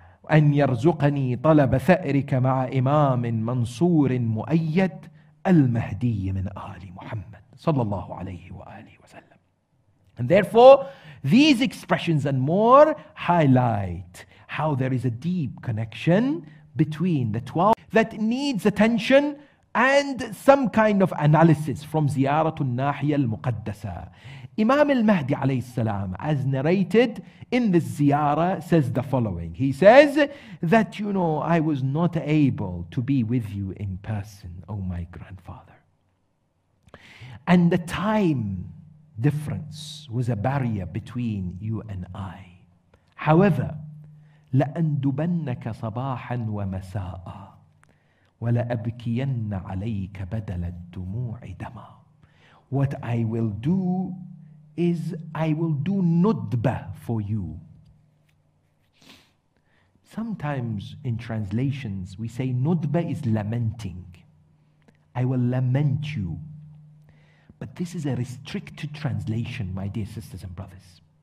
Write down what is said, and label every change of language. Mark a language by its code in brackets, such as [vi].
[ar] أن يرزقني طلب ثأرك مع إمام منصور مؤيد المهدي من آل محمد صلى الله عليه وآله وسلم. [en] And therefore, these expressions and more highlight how there is a deep connection between the 12 that needs attention and some kind of analysis from ziyarat al-Nahiya al-Muqaddasa. Imam al-Mahdi alayhi salam, as narrated in the ziyara, says the following. He says that, you know, I was not able to be with you in person, O my grandfather. And the time difference was a barrier between you and I. However, [ar] لَأَنْدُبَنَّكَ صَبَاحًا وَمَسَاءً وَلَأَبْكِيَنَّ عَلَيْكَ بَدَلَ الدُّمُوعِ دَمًا. [en] What I will do is I will do nudba for you. Sometimes in translations we say nudba is lamenting. I will lament you. But this is a restricted translation, my dear sisters and brothers.